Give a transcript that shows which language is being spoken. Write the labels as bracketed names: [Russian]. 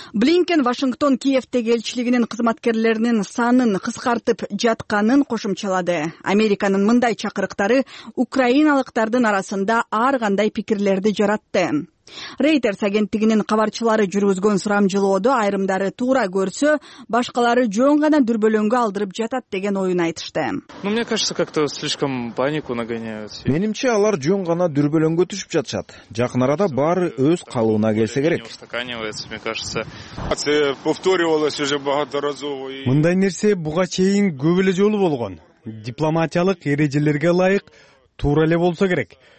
[Kyrgyz] Блинкен Вашингтон Киевтеги элчилигинин кызматкерлеринин санын кыскартып жатканын кошумчалады. Американын мындай чакырыктары украиналыктардын арасында ар кандай пикирлерди жаратты. Рейтерс агенттигинин кабарчылары жүргүзгөн сурамжылоодо айрымдары туура көрсө, башкалары жөн гана дүрбөлөңгө алдырып жатат деген оюн айтышты. [Russian] Ну, мне кажется, как-то слишком панику нагоняют. [Kyrgyz] Менимче алар жөн гана дүрбөлөңгө түшүп жатышат. Жакын арада баары өз калыбына келсе керек. [Ukrainian] Повторювалось уже багато разово. [Kyrgyz] Мындай нерсе буга чейин көп эле жолу болгон. дипломатиялык эрежелерге ылайык туура эле болсо керек.